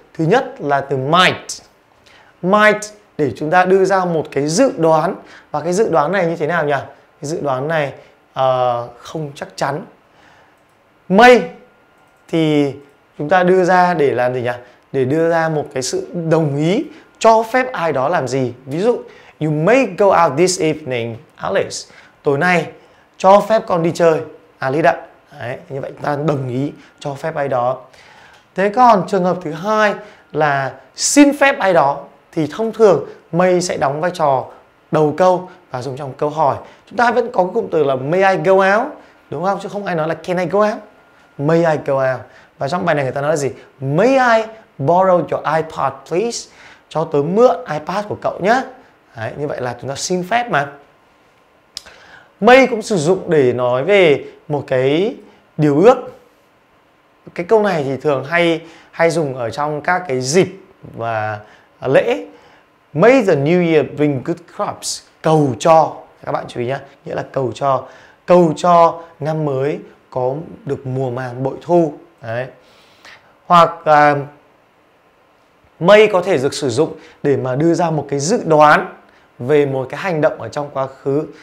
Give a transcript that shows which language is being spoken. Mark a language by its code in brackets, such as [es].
[vi] Thứ nhất là từ might. Might để chúng ta đưa ra một cái dự đoán. Và cái dự đoán này như thế nào nhỉ? Cái dự đoán này không chắc chắn. May thì chúng ta đưa ra để làm gì nhỉ? Để đưa ra một cái sự đồng ý, cho phép ai đó làm gì. Ví dụ, [en] you may go out this evening, Alice. [vi] Tối nay, cho phép con đi chơi, Alice ạ. Đấy, như vậy ta đồng ý cho phép ai đó. Thế còn trường hợp thứ hai là xin phép ai đó, thì thông thường may sẽ đóng vai trò đầu câu và dùng trong câu hỏi. Chúng ta vẫn có cái cụm từ là [en] may I go out, [vi] đúng không? Chứ không ai nói là [en] can I go out. May I go out. [vi] Và trong bài này người ta nói là gì? [en] May I borrow your iPad please? [vi] Cho tớ mượn iPad của cậu nhé. Đấy, như vậy là chúng ta xin phép mà. May cũng sử dụng để nói về một cái điều ước. Cái câu này thì thường hay dùng ở trong các cái dịp và lễ. [en] May the new year bring good crops. [vi] Cầu cho, các bạn chú ý nhé, nghĩa là cầu cho. Cầu cho năm mới có được mùa màng bội thu. Đấy. Hoặc may có thể được sử dụng để mà đưa ra một cái dự đoán về một cái hành động ở trong quá khứ.